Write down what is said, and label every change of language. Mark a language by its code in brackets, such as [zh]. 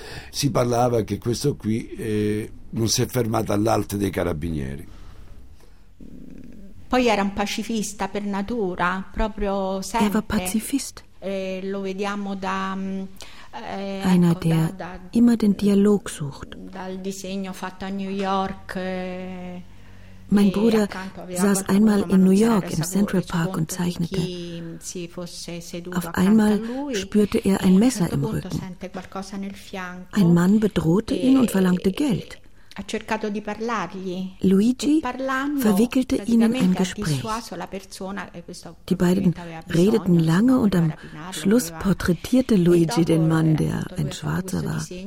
[it] Si parlava che questo qui non si è fermato all'alto dei carabinieri. Poi era un pacifista per natura, proprio sempre. [de] Er war Pazifist. [it] Lo vediamo da [de] einer, ecco, der da, immer den Dialog sucht. [it] Dal disegno fatto a New York. [de] Mein Bruder saß einmal in New York im Central Park und zeichnete. Auf einmal spürte er ein Messer im Rücken. Ein Mann bedrohte ihn und verlangte Geld. Luigi verwickelte ihn in ein Gespräch. Die beiden redeten lange und am Schluss porträtierte Luigi den Mann, der ein Schwarzer war.